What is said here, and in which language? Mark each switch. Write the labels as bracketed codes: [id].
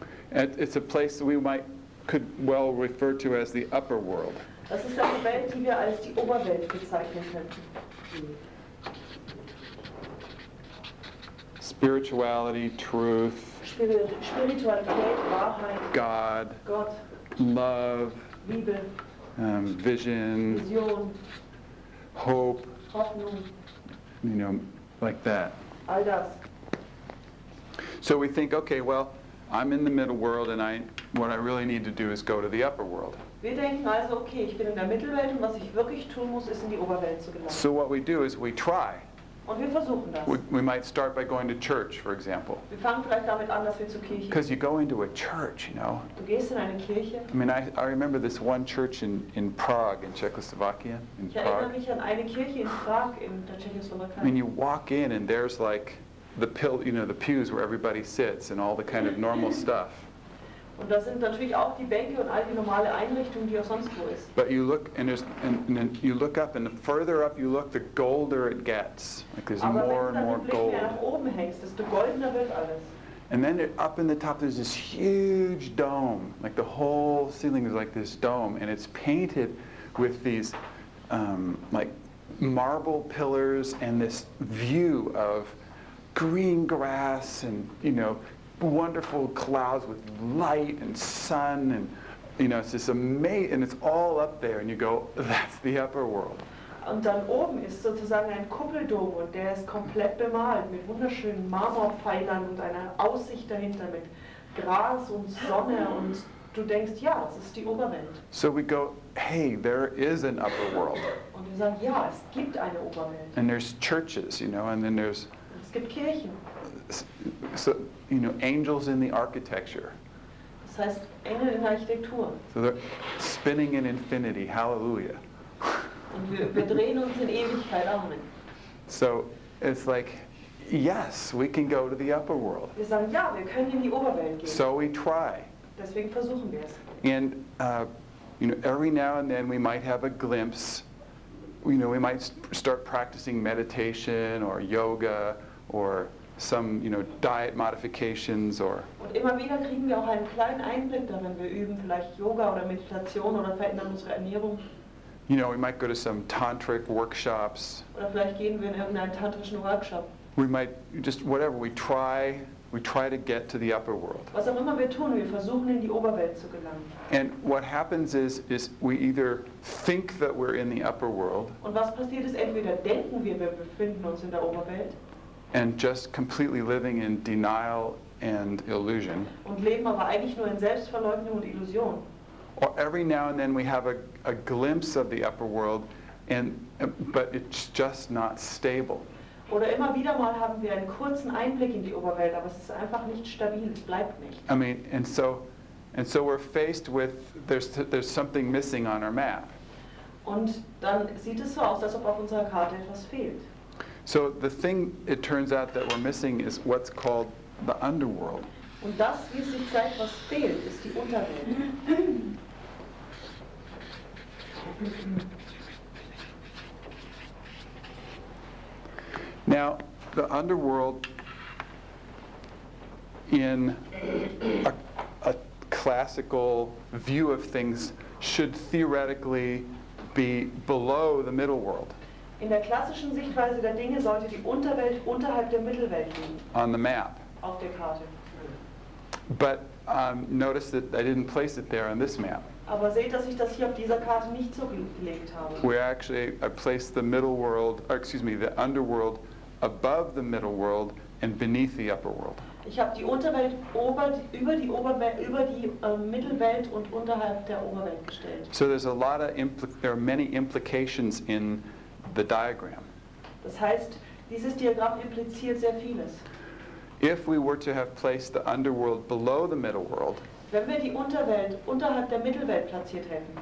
[en] It's a place that we might could well refer to as the upper world. [de] Das ist eine Welt, die wir als die Oberwelt bezeichnen könnten. [en] Spirituality, truth. [de] Spiritualität, Wahrheit, [en] God, [de] Gott, [en] love, [de] Liebe, [en] vision, hope, [de] Hoffnung, [en] you know, like that. [de] All das. [en] So we think, okay, well, I'm in the middle world, and what I really need to do is go to the upper world. [de] Wir denken also, okay, ich bin in der Mittelwelt, und was ich wirklich tun muss, ist in die Oberwelt zu gelangen. [en] So what we do is we try. [de] Und wir versuchen das. [en] We might start by going to church, for example. [de] Wir fangen vielleicht damit an, dass wir zur Kirche gehen. [en] Because you go into a church, you know. [de] Du gehst in eine Kirche. [en] I mean, I remember this one church in Prague, in Czechoslovakia. [de] Ich erinnere mich an eine Kirche in Prag, in der Tschechoslowakei. [en] I mean, you walk in, and there's like the pews where everybody sits and all the kind of normal stuff. [de] Und da sind natürlich auch die Bänke und all die normale Einrichtung, die auch sonst wo ist. [en] But you look and you look up, and the further up you look, the golder it gets. Like there's [de] Aber [en] more and more gold. [de] Aber wenn du nach oben hängst, desto goldener wird alles. [en] And then up in the top there's this huge dome. Like the whole ceiling is like this dome, and it's painted with these like marble pillars and this view of green grass and, you know, wonderful clouds with light and sun, and, you know, it's just amazing, and it's all up there, and you go, that's the upper world. [de] Und dann oben ist sozusagen ein Kuppeldom, und der ist komplett bemalt mit wunderschönen Marmorpfeilern und einer Aussicht dahinter mit Gras und Sonne, und du denkst, ja, das ist die Oberwelt. [en] So we go, hey, there is an upper world. [de] Und wir sagen, ja, es gibt eine Oberwelt. [en] And there's churches, you know, and then there's [de] es gibt Kirchen. [en] So, you know, angels in the architecture. [de] Das heißt, Engel in der Architektur. [en] So they're spinning in infinity. Hallelujah. [de] Und wir drehen uns in Ewigkeit. Amen. [en] So it's like, yes, we can go to the upper world. [de] Wir sagen, ja, wir können in die Oberwelt gehen. [en] So we try. [de] Deswegen versuchen wir es. [en] And you know, every now and then we might have a glimpse. You know, we might start practicing meditation or yoga or some, you know, diet modifications or. [de] Und immer wieder kriegen wir auch einen kleinen Einblick darin. Wir üben vielleicht Yoga oder Meditation oder verändern unsere Ernährung. [en] You know, we might go to some tantric workshops. [de] Oder vielleicht gehen wir in irgendeinen tantrischen Workshop. [en] We might just whatever we try to get to the upper world. [de] Was auch immer wir tun, wir versuchen in die Oberwelt zu gelangen. [en] And what happens is we either think that we're in the upper world. [de] Und was passiert ist, entweder denken wir befinden uns in der Oberwelt. [en] And just completely living in denial and illusion. [de] Und leben aber eigentlich nur in Selbstverleugnung und Illusion. [en] Or every now and then we have a glimpse of the upper world, but it's just not stable. [de] Oder immer wieder mal haben wir einen kurzen Einblick in die Oberwelt, aber es ist einfach nicht stabil, es bleibt nicht. [en] I mean, and so we're faced with there's something missing on our map. [de] Und dann sieht es so aus, als ob auf unserer Karte etwas fehlt. [en] So the thing it turns out that we're missing is what's called the underworld. [de] Und das, wie sich zeigt, was fehlt, ist die Unterwelt. [en] Now, the underworld in a classical view of things should theoretically be below the middle world. [de] In der klassischen Sichtweise der Dinge sollte die Unterwelt unterhalb der Mittelwelt liegen. [en] On the map. [de] Auf der Karte. [en] But notice that I didn't place it there on this map. [de] Aber seht, dass ich das hier auf dieser Karte nicht zugelegt habe. [en] I placed the middle world, or excuse me, the underworld above the middle world and beneath the upper world. [de] Ich habe die Unterwelt über die Mittelwelt und unterhalb der Oberwelt gestellt. [en] So there's a lot of there are many implications in the diagram. [de] Das heißt, dieses Diagramm impliziert sehr vieles. [en] If we were to have placed the underworld below the middle world, [de] wenn wir die Unterwelt unterhalb der Mittelwelt platziert hätten,